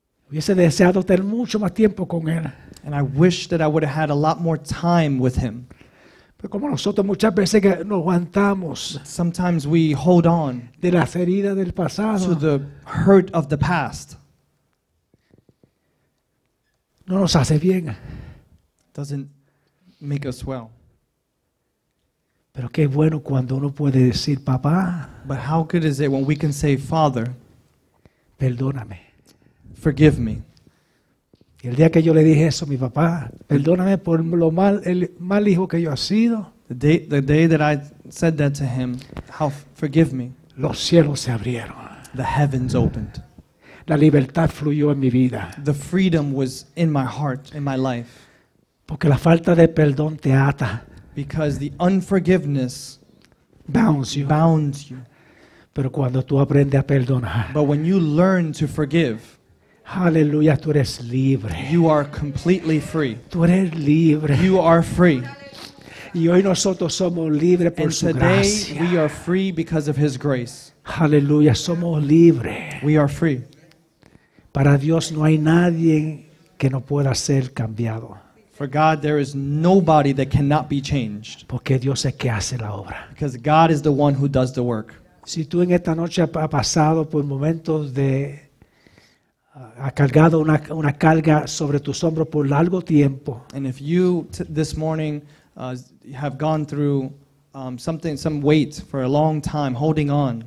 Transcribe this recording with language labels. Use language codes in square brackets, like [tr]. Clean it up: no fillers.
[es] Hubiese deseado tener mucho más tiempo con él. [en] And I wish that I would have had a lot more time with him. [es] Pero como nosotros muchas veces que nos aguantamos. [en] Sometimes we hold on. [es] De las heridas del pasado. [en] To the hurt of the past. [es] No nos hace bien. [en] Doesn't make us well. [es] Pero qué bueno cuando uno puede decir papá. [en] But how good is it when we can say father? [es] Perdóname. [en] Forgive me. [es] Y el día que yo le dije eso a mi papá, perdóname por lo mal el mal hijo que yo ha sido. [en] The day that I said that to him, how forgive me. [es] Los cielos se abrieron. [en] The heavens opened. [es] La libertad fluyó en mi vida. [en] The freedom was in my heart, in my life. [es] Porque la falta de perdón te ata. [en] Because the unforgiveness bounds you. [es] Pero cuando tú aprendes a perdonar, [en] but when you learn to forgive, [es] hallelujah, tú eres libre. [en] You are completely free. [es] Tú eres libre. [en] You are free. [es] Y hoy nosotros somos libres por [en] and [es] su [en] today, [es] gracia. [en] We are free because of his grace. [es] Hallelujah, somos libres. [en] We are free. [es] Para Dios no hay nadie que no pueda ser cambiado. [en] For God, there is nobody that cannot be changed. [es] Porque Dios es que hace la obra. [en] Because God is the one who does the work. [es] Si tú en esta noche has pasado por momentos de ha cargado una carga sobre tus hombros por largo tiempo. [en] And if you this morning have gone through some weight for a long time, holding on.